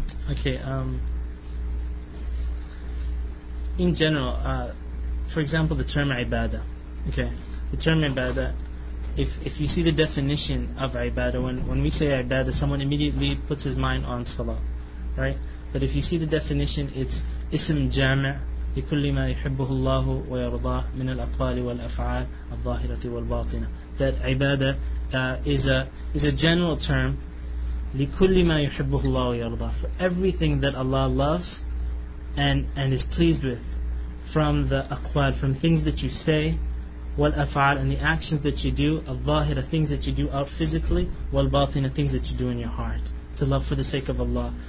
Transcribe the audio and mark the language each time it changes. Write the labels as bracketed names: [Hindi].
[English] Okay. In general, for example, the term ibadah. Okay, the term ibadah. If you see the definition of ibadah, when we say ibadah, someone immediately puts his mind on salah, right? But if you see the definition, it's ism jam' [Arabic] لِكُلِّ مَا يُحِبُّهُ اللَّهُ وَيَرْضَاهُ مِنَ الْأَقْوَالِ وَالْأَفْعَالِ الظَّاهِرَةِ وَالْبَاطِنَةِ. [English] That ibadah is a general term. [Arabic] لِكُلِّ مَا يُحِبُّهُ اللَّهُ وَيَرْضَاهُ. [English] For everything that Allah loves and is pleased with, from the aqwal, from things that you say, والأفعال, and the actions that you do, الظاهرة, things that you do out physically, والباطنة, things that you do in your heart, to love for the sake of Allah.